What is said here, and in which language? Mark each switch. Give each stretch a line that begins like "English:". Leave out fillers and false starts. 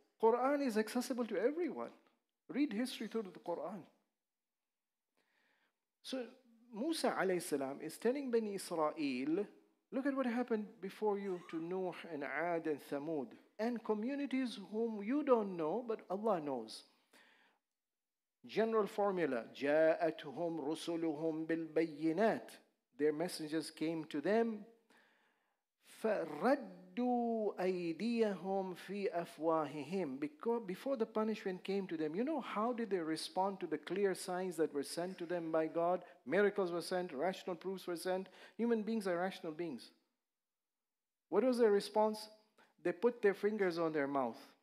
English: Quran is accessible to everyone. Read history through the Quran. So Musa alayhi salam is telling Bani Israel, look at what happened before you to Nuh and Ad and Thamud and communities whom you don't know, but Allah knows. General formula,
Arabic: جاءتهم رسلهم بالبينات.
English: Their messengers came to them.
Arabic: فردوا أيديهم في أفواههم.
English: Before the punishment came to them, you know how did they respond to the clear signs that were sent to them by God? Miracles were sent, rational proofs were sent. Human beings are rational beings. What was their response? They put their fingers on their mouth.